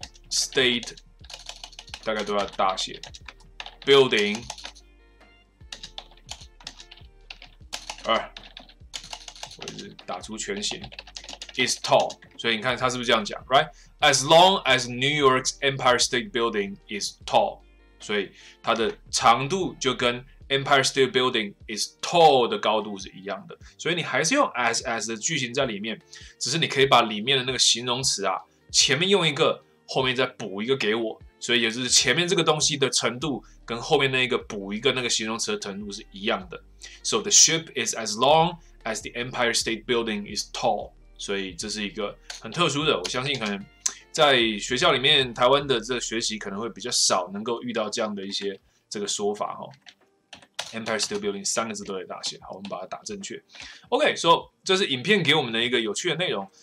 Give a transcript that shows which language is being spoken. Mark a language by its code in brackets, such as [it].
[zh] State 大概都要大写，Building 我是打出全形，is tall，所以你看他是不是这样讲，right？ [en] As long as New York's Empire State Building is tall， [zh] 所以它的长度就跟 Empire State Building is tall 的高度是一样的，所以你还是用 as 的句型在里面，只是你可以把里面的那个形容词啊，前面用一个。后面再补一个给我，所以也就是前面这个东西的程度跟后面那个补一个那个形容词的程度是一样的。 [en] So the ship is as long as the Empire State Building is tall。 [zh] 所以这是一个很特殊的，我相信可能在学校里面台湾的这个学习可能会比较少能够遇到这样的一些这个说法哦。 Empire State Building 三个字都在大写，好，我们把它打正确。OK，so 这是影片给我们的一个有趣的内容。